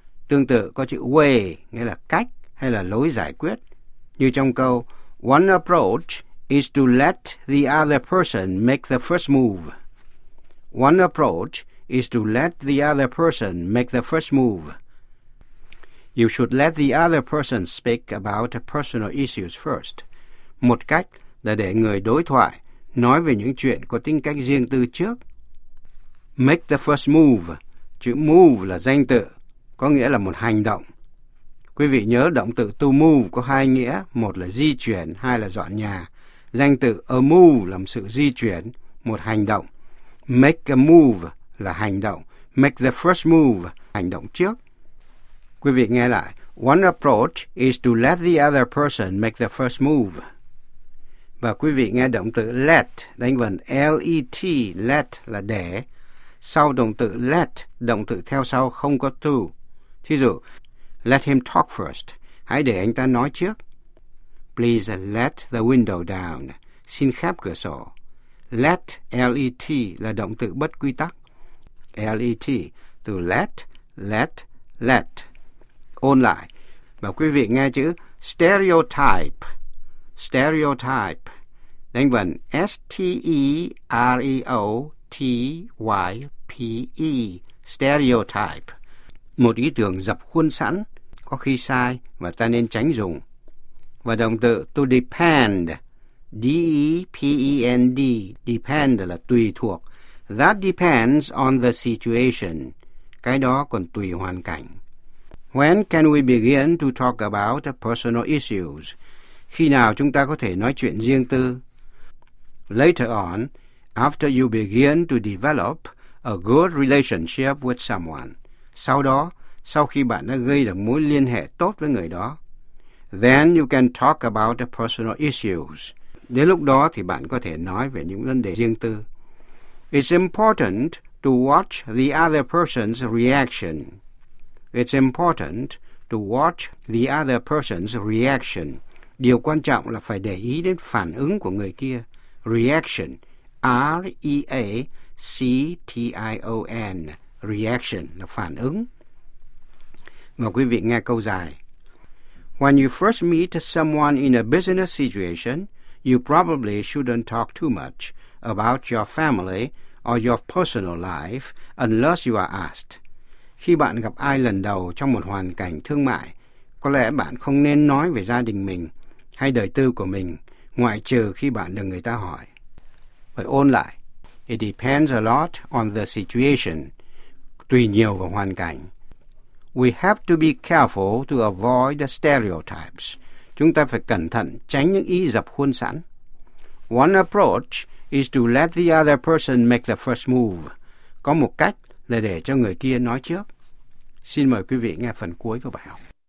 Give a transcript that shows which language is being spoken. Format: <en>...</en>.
<vi>Tương tự có chữ way, nghĩa là cách hay là lối giải quyết. Như trong câu,</vi> <en>one approach is to let the other person make the first move. One approach is to let the other person make the first move. You should let the other person speak about personal issues first.</en> <vi>Một cách là để người đối thoại nói về những chuyện có tính cách riêng tư trước.</vi> <en>Make the first move.</en> <vi>Chữ move là danh từ, có nghĩa là một hành động. Quý vị nhớ động từ to move có hai nghĩa, một là di chuyển, hai là dọn nhà. Danh từ a move là một sự di chuyển, một hành động. Make a move là hành động. Make the first move, hành động trước. Quý vị nghe lại.</vi> <en>One approach is to let the other person make the first move.</en> <vi>Và quý vị nghe động từ let, đánh vần L-E-T, let là để. Sau động từ let, động từ theo sau không có to. Thí dụ,</vi> <en>let him talk first.</en> <vi>Hãy để anh ta nói trước.</vi> <en>Please let the window down.</en> <vi>Xin khép cửa sổ. Let, L-E-T, là động từ bất quy tắc. L-E-T, từ let, let, let. Ôn lại. Và quý vị nghe chữ stereotype. Stereotype. Đánh vần S-T-E-R-E-O-T-Y-P-E. Stereotype. Một ý tưởng dập khuôn sẵn, có khi sai và ta nên tránh dùng. Và động từ to depend, D-E-P-E-N-D, depend là tùy thuộc.</vi> <en>That depends on the situation.</en> <vi>Cái đó còn tùy hoàn cảnh.</vi> <en>When can we begin to talk about personal issues?</en> <vi>Khi nào chúng ta có thể nói chuyện riêng tư?</vi> <en>Later on, after you begin to develop a good relationship with someone.</en> <vi>Sau đó, sau khi bạn đã gây được mối liên hệ tốt với người đó.</vi> <en>Then you can talk about the personal issues.</en> <vi>Đến lúc đó thì bạn có thể nói về những vấn đề riêng tư.</vi> <en>It's important to watch the other person's reaction. It's important to watch the other person's reaction.</en> <vi>Điều quan trọng là phải để ý đến phản ứng của người kia.</vi> <en>Reaction. R-E-A-C-T-I-O-N.</en> <vi>Reaction là phản ứng. Mời quý vị nghe câu dài.</vi> <en>When you first meet someone in a business situation, you probably shouldn't talk too much about your family or your personal life unless you are asked.</en> <vi>Khi bạn gặp ai lần đầu trong một hoàn cảnh thương mại, có lẽ bạn không nên nói về gia đình mình hay đời tư của mình, ngoại trừ khi bạn được người ta hỏi. Phải ôn lại.</vi> <en>It depends a lot on the situation.</en> <vi>Tùy nhiều vào hoàn cảnh.</vi> <en>We have to be careful to avoid the stereotypes.</en> <vi>Chúng ta phải cẩn thận tránh những ý dập khuôn sẵn.</vi> <en>One approach is to let the other person make the first move.</en> <vi>Có một cách là để cho người kia nói trước. Xin mời quý vị nghe phần cuối của bài học.</vi>